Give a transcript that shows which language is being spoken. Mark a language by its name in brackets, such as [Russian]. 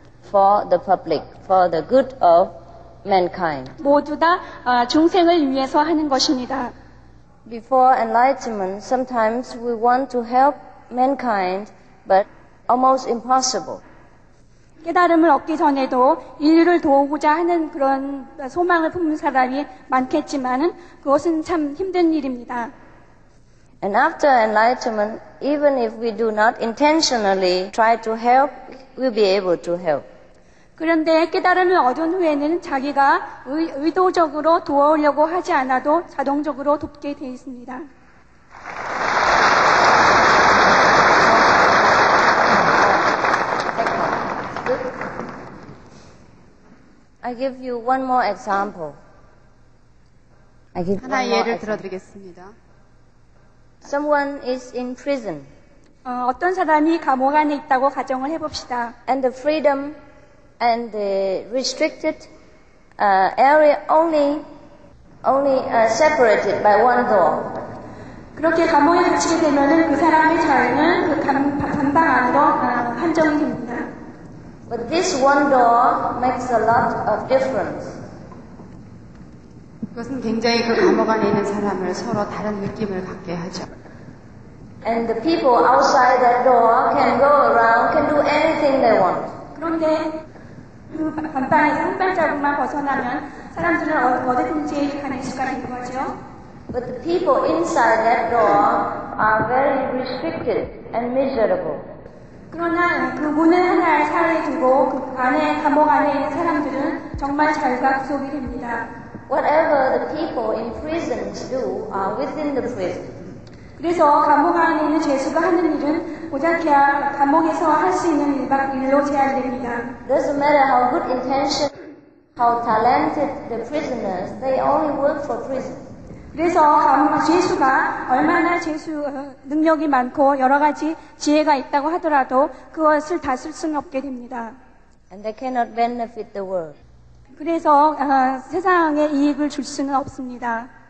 [English] For the public, for the good of mankind. [Korean] 모두 다 중생을 위해서 하는 것입니다. [English] Before enlightenment, sometimes we want to help mankind, but almost impossible. [Korean] 깨달음을 얻기 전에도 인류를 도우고자 하는 그런 소망을 품은 사람이 많겠지만은 그것은 참 힘든 일입니다. [English] And after enlightenment, even if we do not intentionally try to help, we'll be able to help. [Korean] 그런데 깨달음을 얻은 후에는 자기가 의도적으로 도우려고 하지 않아도 자동적으로 돕게 되어 있습니다. [English] I give you one more example. [Korean] 하나의 예를 들어드리겠습니다. [English] Someone is in prison. [Korean] 어떤 사람이 감옥 안에 있다고 가정을 해봅시다. [English] And the freedom and the restricted area only separated by one door. [Korean] 그렇게 감옥에 갇히게 되면은 그 사람의 자유는 그 감방 안으로 한정됩니다. [English] But this one door makes a lot of difference. [Korean] 그것은 굉장히 그 감옥 안에 있는 사람을 서로 다른 느낌을 갖게 하죠. [English] And the people outside that door can go around, can do anything they want. [Korean] 그런데 그 감방에서 한 발자국만 벗어나면 사람들은 어디든지 가는 시간이 되죠. [English] But the people inside that door are very restricted and miserable. [Korean] 그러나 그 문을 하나 사이에 두고 그 안에 감옥 안에 있는 사람들은 정말 자유가 구속이 됩니다. [English] Whatever the people in prisons do are within the prison. [Korean] 그래서 감옥 안에 있는 죄수가 하는 일은 오자키야 감옥에서 할 수 있는 일로 제한됩니다. [English] Doesn't matter how good intention, how talented the prisoners, they only work for prison. [Korean] 그래서 죄수가 얼마나 죄수 능력이 많고 여러 가지 지혜가 있다고 하더라도 그것을 다 쓸 수는 없게 됩니다. [English] And they cannot benefit the world. [Korean] 그래서 세상에 이익을 줄 수는 없습니다.